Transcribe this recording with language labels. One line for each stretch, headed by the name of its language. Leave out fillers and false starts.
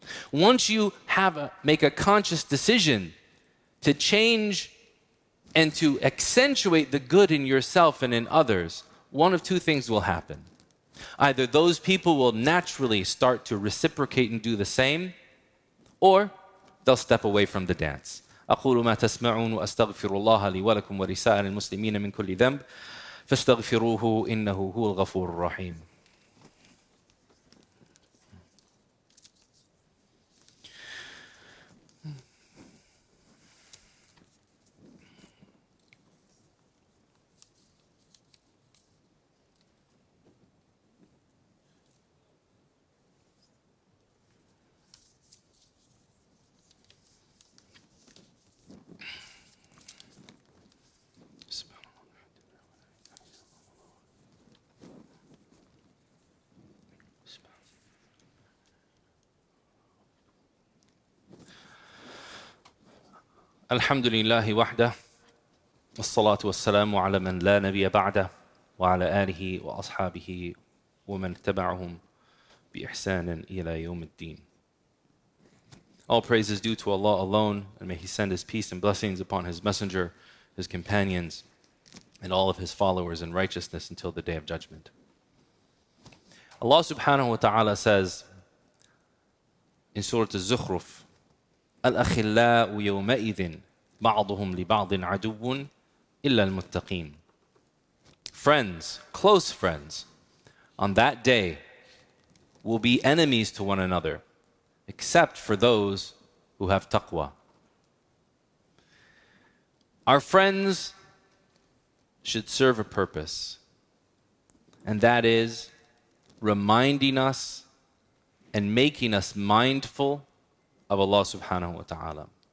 English: Once you make a conscious decision to change and to accentuate the good in yourself and in others, one of two things will happen. Either those people will naturally start to reciprocate and do the same, or they'll step away from the dance.
Arabic: أقول ما تسمعون وأستغفر الله لي ولكم ولسائر المسلمين من كل ذنب فاستغفروه إنه هو الغفور الرحيم. الحمد لله وحده والصلاة والسلام على من لا نبي بعده وعلى آله وأصحابه ومن اتبعهم بإحسان إلى يوم الدين.
English: All praise is due to Allah alone, and may He send His peace and blessings upon His Messenger, His companions, and all of His followers in righteousness until the Day of Judgment. Allah subhanahu wa ta'ala says in Surah Al-Zukhruf,
Arabic: الأخلاء يومئذ بعضهم لبعض عدو إلا المتقين.
English: Friends, close friends, on that day will be enemies to one another, except for those who have taqwa. Our friends should serve a purpose, and that is reminding us and making us mindful of Allah subhanahu wa ta'ala.